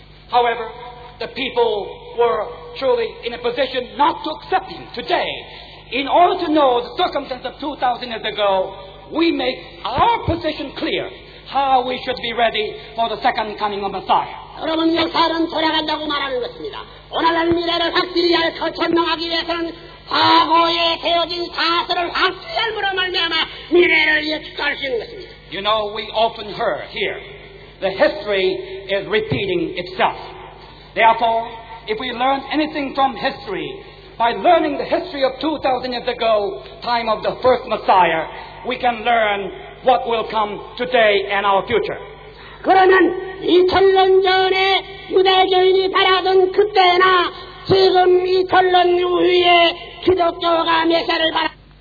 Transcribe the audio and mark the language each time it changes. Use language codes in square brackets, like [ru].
[en] However, the people were truly in a position not to accept him. Today, in order to know the circumstance of 2,000 years ago, we make our position clear how we should be ready for the second coming of Messiah. [ko] 여러분, 역사는 돌아간다고 말하는 것입니다. 오늘날 미래를 확실히 알고 전망하기 위해서는 과거에 되어진 사실을 확실히 알므로 말미암아 미래를 예측할 수 있는 것입니다. [en] You know, we often heard here, the history is repeating itself. Therefore, if we learn anything from history, by learning the history of 2,000 years ago, time of the first Messiah, we can learn what will come today and our future. [ko] 그러면 2,000년 전에 유대교인이 바라던 그때나 지금 2,000년 이후에 기독교가 메시아를 바라던